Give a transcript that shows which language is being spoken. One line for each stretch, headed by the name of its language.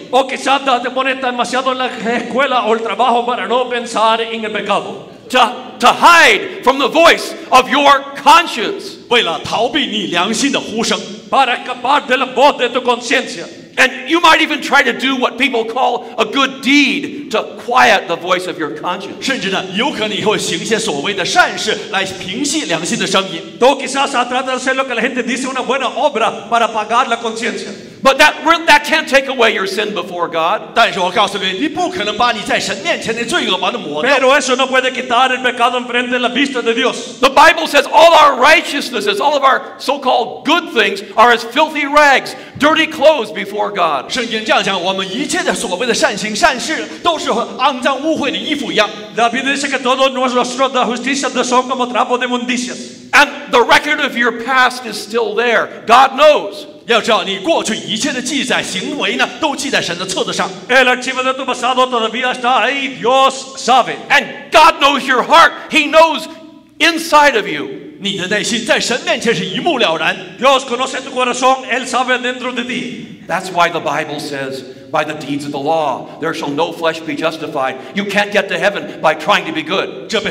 Spanish: O quizás te pones demasiado en la escuela o el trabajo para no pensar en el pecado.
English: To hide from the voice of your conscience.
Chinese: 为了逃避你良心的呼声。
Spanish: Para escapar de la voz de tu conciencia.
English: And you might even try to do what people call a good deed to quiet the voice of your conscience.
Chinese: 甚至呢，有可能以后行一些所谓的善事来平息良心的声音。
Spanish: Tú quizás tratas de hacer lo que la gente dice una buena obra para apagar la conciencia.
English: But that can't take away your sin before God.
Spanish: Pero eso no puede quitar el pecado enfrente de la vista de Dios.
English: The Bible says all our righteousnesses, all of our so-called good things, are as filthy rags, dirty clothes before God.
Chinese: 圣经这样讲, 我们一切的所谓的善行, 善事, 都是肮脏, 污秽的衣服一样。
Spanish: La Biblia dice que todo nuestro la justicia de son como trapo de inmundicia.
English: And the record of your past is still there. God knows.
Chinese: 要知道你过去一切的记载, 行为呢, 都记在神的册子上。
Spanish: El archivo de tu pasado todavía está ahí, Dios sabe.
English: And God knows your heart. He knows inside of you.
Chinese: 你的内心在神面前是一目了然。
Spanish: Dios conoce tu corazón, Él sabe dentro de ti.
English: That's why the Bible says, by the deeds of the law, there shall no flesh be justified. You can't get to heaven by trying to be good.